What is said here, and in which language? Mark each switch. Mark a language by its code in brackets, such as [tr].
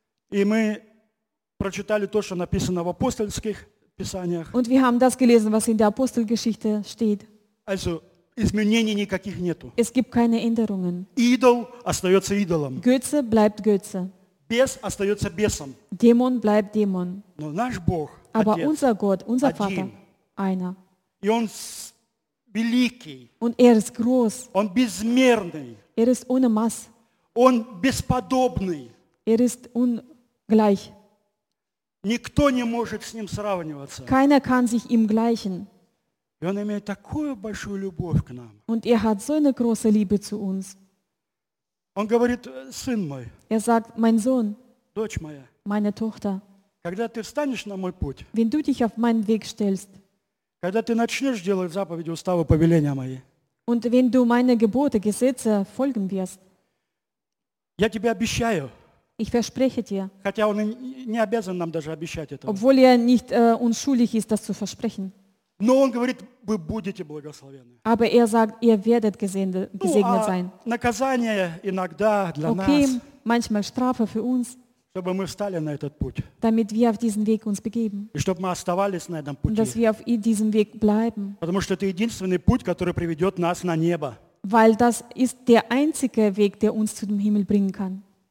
[ru] И мы прочитали то, что написано в апостольских писаниях. [de] Und wir haben das gelesen, was in der Apostelgeschichte steht. Also, [ru] изменений никаких нету. [de] Es gibt keine Änderungen. [ru] Идол остается идолом. [de] Götze bleibt Götze. [ru] Бес остается бесом. [de] Демон bleibt Demon. [ru] Но наш Бог. [de] Aber unser Gott, unser [ru] один. [de] Vater, einer. [ru] И он великий. [de] Und er ist groß. [ru] Он безмерный. [de] Er ist ohne Maß. [ru] Он бесподобный. [de] Er ist ungleich. [ru] Никто не может с ним сравниваться. [de] Keiner kann sich ihm gleichen. [ru] И он имеет такую большую любовь к нам. [de] Und er hat so eine große Liebe zu uns. [ru] Он говорит, сын мой. [de] Er sagt, mein Sohn. [ru] Дочь моя. [de] Meine Tochter. [ru] Когда ты встанешь на мой путь, [de] wenn du dich auf meinen Weg stellst, [ru] когда ты начнешь делать заповеди, уставы, повеления мои, [de] und wenn du meine Gebote, Gesetze folgen wirst, [ru] я тебе обещаю, [de] ich verspreche dir, [ru] хотя он не обязан нам даже обещать этого, [de] obwohl nicht unschuldig ist, das zu versprechen, [ru] но он говорит, вы будете благословены, [de] aber sagt, ihr werdet gesegnet sein. [ru] Наказание иногда для нас, [de] manchmal Strafe für uns, [ru] чтобы мы встали на этот путь. [de] Damit wir auf diesen Weg uns begeben. [ru] И чтобы мы оставались на этом пути. [de] Dass wir auf diesem Weg bleiben. [ru] Потому что это единственный путь, который приведет нас на небо. [de] Weil das ist der einzige Weg, der uns zu dem Himmel bringen kann.